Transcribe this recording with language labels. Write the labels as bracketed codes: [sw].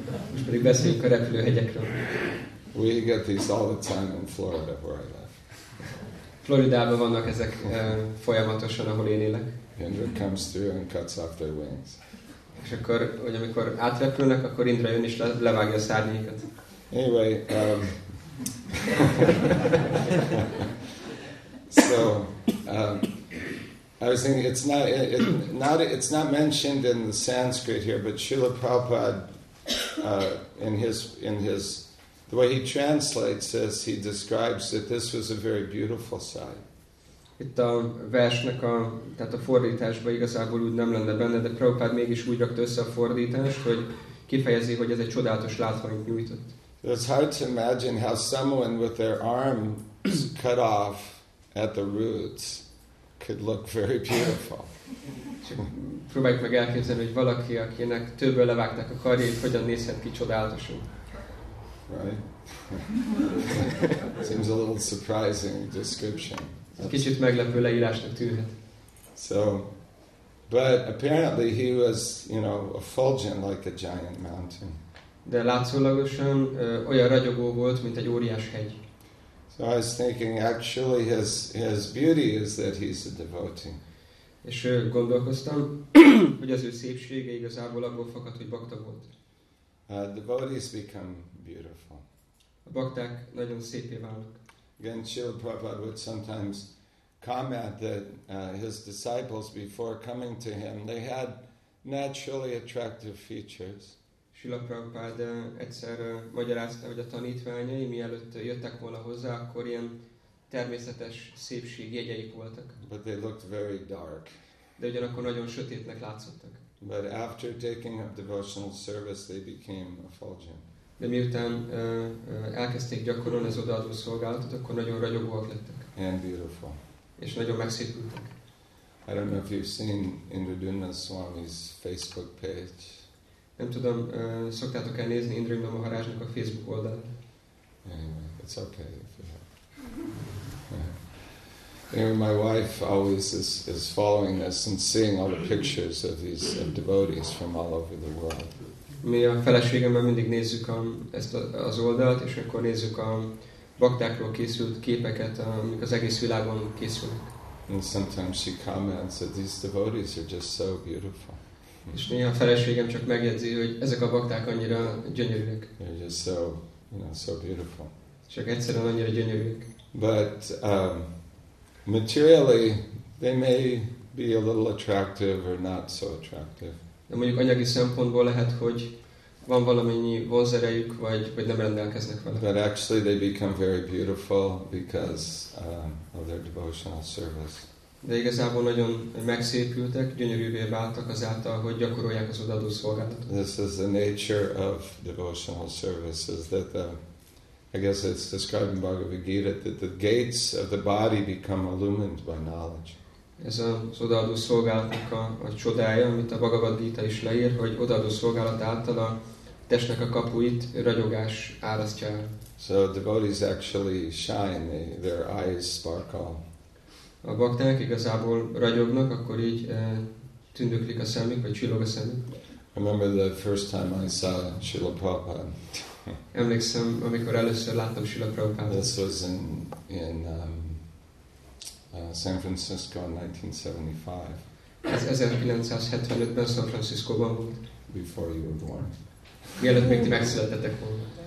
[hu] Most pedig beszéljünk a repülőhegyekről. [en] We get these all the time in Florida, where I live. [hu] Floridában vannak ezek folyamatosan, ahol én élek. [en] Indra comes through and cuts off their wings. [hu] És akkor, hogy amikor átrepülnek, akkor Indra jön és levágja a szárnyaikat. [en] Anyway, so. I was thinking it's not mentioned in the Sanskrit here, but Srila Prabhupada in his the way he translates this, he describes that this was a very beautiful sight. [hu] Itt a versnek a tehát a fordításban igazából úgy nem lenne benne, de Prabhupada mégis úgy rakta össze a fordítást, hogy kifejezi, hogy ez egy csodálatos látványt nyújtott. [en] It's hard to imagine how someone with their arms cut off at the roots could look very beautiful. [hu] Próbáljuk meg elképzelni, hogy valaki, akinek többől levágták a karjait, hogyan nézhet ki csodálatosul. [en] Right? Seems a little surprising description. [hu] Kicsit meglepő leírásnak tűnhet. [en] So, but apparently he was, you know, effulgent like a giant mountain. [hu] De látszólagosan olyan ragyogó volt, mint egy óriás hegy. [en] So I was thinking, actually, his beauty is that he's a devotee. [hu] És gondolkoztam, hogy az ő szépsége igazából abból fakadt, hogy bakta volt. [en] Devotees become beautiful. [hu] A bakták nagyon szépé válnak. [en] Again, Srila Prabhupada would sometimes comment that his disciples, before coming to him, they had naturally attractive features. [hu] Srila Prabhupada egyszer magyarázta, hogy a tanítványai, mielőtt jöttek volna hozzá, akkor ilyen természetes szépség jegyeik voltak. [en] But they looked very dark. [hu] De ugyanakkor nagyon sötétnek látszottak. [en] But after taking up devotional service, they became effulgent. [hu] De miután elkezdték gyakorolni az odaadó szolgálatot, akkor nagyon ragyogóak lettek. [en] And beautiful. [hu] És nagyon megszépültek. [en] I don't know if you've seen Indradyumna Swami's Facebook page. [hu] Nem tudom, szoktátok el nézni Indradyumna Maharajnak a Facebook oldalát? [en] Anyway, it's okay if you have. Anyway, my wife always is following this and seeing all the pictures of these devotees from all over the world. [hu] Mi a feleségemmel mindig nézzük ezt az oldalt, és akkor nézzük a baktákról készült képeket, amik az egész világon készülnek. [en] And sometimes she comments that these devotees are just so beautiful. [hu] És néha a feleségem csak megjegyzi, hogy ezek a bakták annyira gyönyörűek. [en] They're just so, you know, so beautiful. [hu] Csak egyszerűen annyira gyönyörűek. [en] But materially, they may be a little attractive or not so attractive. [hu] De mondjuk anyagi szempontból lehet, hogy van valamennyi vonzerejük, vagy nem rendelkeznek vele. [en] But actually they become very beautiful because of their devotional service. [hu] De igazából nagyon megszépültek, gyönyörűvé váltak azáltal, hogy gyakorolják az odaadó szolgálatot. [en] This is the nature of devotional services, that I guess it's described in Bhagavad Gita, that the gates of the body become illumined by knowledge. [hu] Ez az odaadó szolgálatnak a csodája, amit a Bhagavad Gita is leír, hogy odaadó szolgálat által a testnek a kapuit ragyogás árasztja. [en] So devotees actually shine, their eyes sparkle. [hu] A bakták igazából ragyognak, akkor így tündöklik a szemük, vagy csillog a szemük. [en] Remember the first time I saw Srila Prabhupada. [hu] Emlékszem, amikor először láttam Srila Prabhupada. [en] This was in San Francisco in 1975. [hu] Ez 1975-ben San Franciscóban volt. [en] Before you were born. [hu] Mielőtt még ti megszülettetek volna.